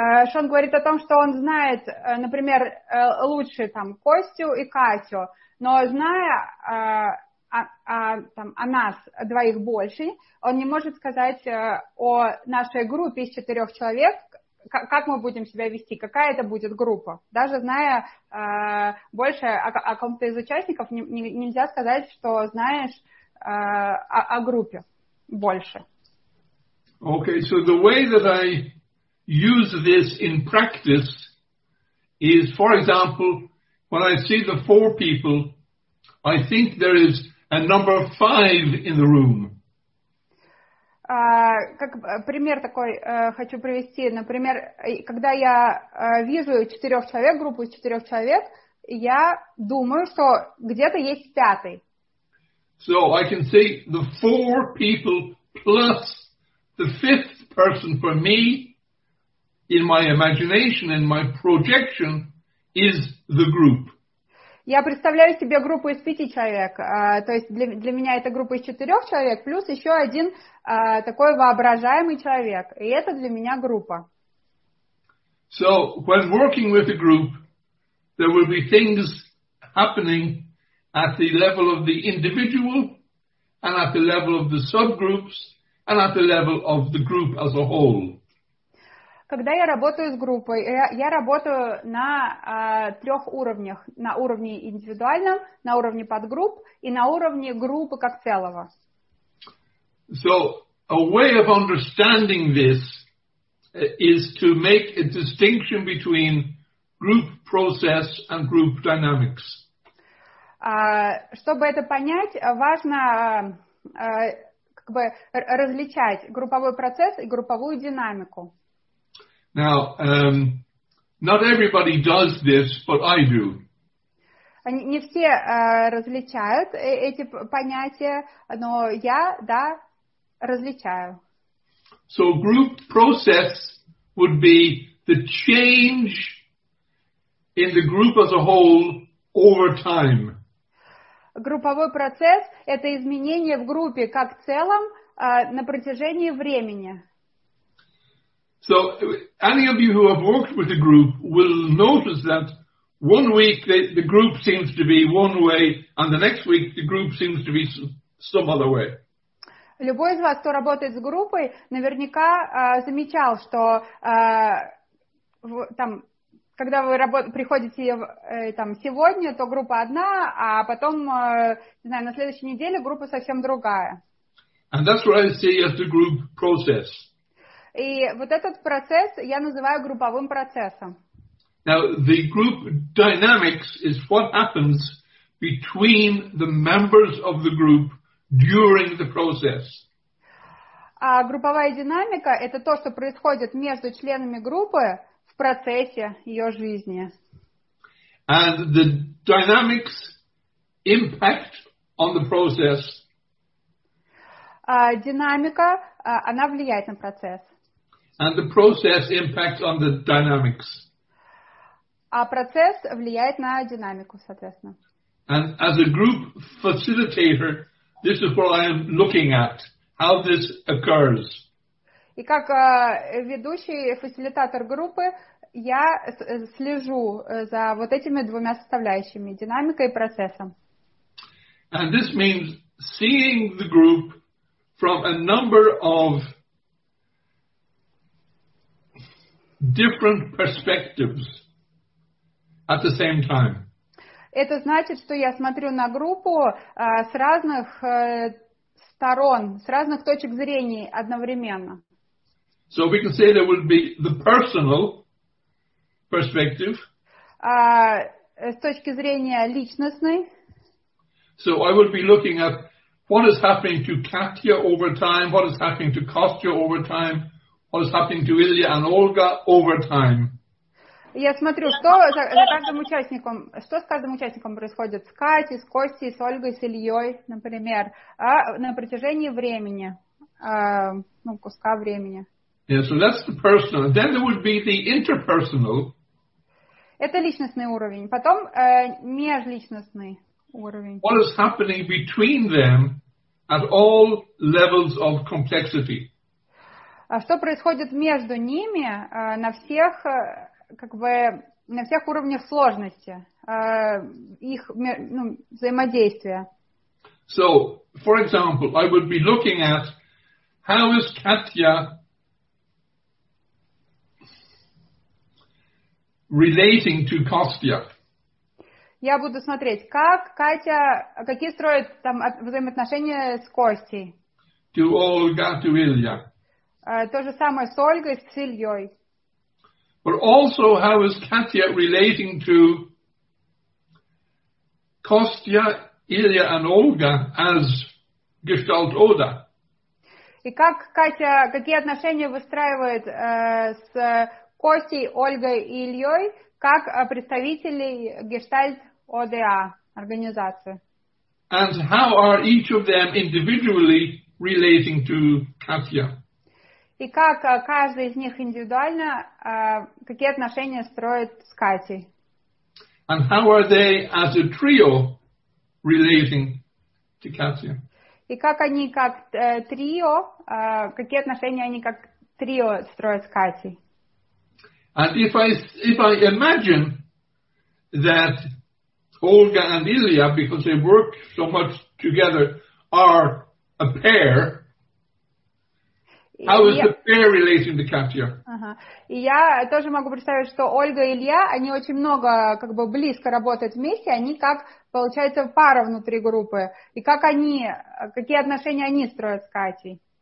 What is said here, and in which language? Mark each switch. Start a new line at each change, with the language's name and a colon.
Russian: Шон говорит о том, что он знает, например, лучше там Костю и Катю, но зная о нас двоих больше, он не может сказать о нашей группе из четырех человек, как мы будем себя вести, какая это будет группа. Даже зная больше о ком-то из участников, нельзя сказать, что знаешь о группе больше.
English: Okay, so the way that I use this in practice is, for example, when I see the four people, I think there is a number five in the room.
Russian: Как пример такой хочу привести. Например, когда я вижу четырех человек, группу из четырех человек, я думаю, что где-то есть пятый.
English: So I can see the four people plus the fifth person for me in my imagination, in my projection, is the group.
Russian: Я представляю себе группу из пяти человек. То есть для меня это группа из четырех человек плюс еще один такой воображаемый человек. И это для меня группа.
English: So, when working with a group, there will be things happening at the level of the individual and at the level of the subgroups and at the level of the group as a whole.
Russian: Когда я работаю с группой, я работаю на трех уровнях. На уровне индивидуальном, на уровне подгрупп и на уровне группы как целого.
English: So, a way of understanding this is to make a distinction between group process and group dynamics.
Russian: Чтобы это понять, важно как бы различать групповой процесс и групповую динамику.
English: Now, not everybody does this, but I do.
Russian: Не все различают эти понятия, но я, да, различаю.
English: So group process would be the change in the group as a whole over time.
Russian: Групповой процесс – это изменение в группе как целом на протяжении времени.
English: So, any of you who have worked with a group will notice that one week the group seems to be one way, and the next week the group seems to be some other way.
Russian: Любой из вас, кто работает с группой, наверняка замечал, что там, когда вы приходите там сегодня, то группа одна, а потом, не знаю, на следующей неделе группа совсем другая.
English: And that's what I see as the group process.
Russian: И вот этот процесс я называю групповым процессом.
English: Now, the group dynamics is what happens between the members of the group during the process.
Russian: А групповая динамика – это то, что происходит между членами группы в процессе ее жизни.
English: And the dynamics impact on the process.
Russian: Динамика, она влияет на процесс.
English: And the process impacts on the dynamics.
Russian: А процесс влияет на динамику, соответственно.
English: And as a group facilitator, this is what I am looking at, how this occurs.
Russian: И как ведущий фасилитатор группы, я слежу за вот этими двумя составляющими, динамикой и процессом.
English: And this means seeing the group from a number of different perspectives at the same time.
Russian: Это значит, что я смотрю на группу с разных сторон, с разных точек зрения одновременно.
English: So we can say there would be the personal perspective.
Russian: С точки зрения личностной.
English: So I would be looking at what is happening to Katya over time, what is happening to Kostya over time. What is happening to Ilya and Olga over time?
Russian: Я смотрю, что за каждым участником, что с каждым участником происходит, с Катей, с Костей, с Ольгой, с Ильей, например, на протяжении времени, ну, куска времени.
English: Yeah, so that's the personal. Then there would be the interpersonal.
Russian: Это личностный уровень. Потом межличностный уровень.
English: What is happening between them at all levels of complexity?
Russian: Что происходит между ними на всех, как бы, на всех уровнях сложности, их, ну, взаимодействия.
English: So, for example, I would be looking at how is Katya relating to Kostya.
Russian: Я буду смотреть, как Катя, какие строят там взаимоотношения с Костей.
English: To Olga, to Ilya.
Russian: То же самое с Ольгой, с Ильей.
English: But also, how is Katya relating to Kostya, Ilya and Olga as Gestalt Oda?
Russian: И как Катя, какие отношения выстраивает с Костей, Ольгой и Ильей, как представителей Gestalt ОДА, организации?
English: And how are each of them individually relating to Katya?
Russian: И как каждый из них индивидуально, какие отношения строит с Катей?
English: And how are they as a trio relating to Katya?
Russian: И как они как трио, какие отношения они как трио строят с Катей?
English: And if I imagine that Olga and Ilya, because they work so much together, are a pair, how is the pair relating to Katya?
Russian: И я тоже могу представить, что Ольга и Илья, они очень много, как бы, близко работают вместе, они как, получается, пара внутри группы. И как они, какие отношения они строят с Катей?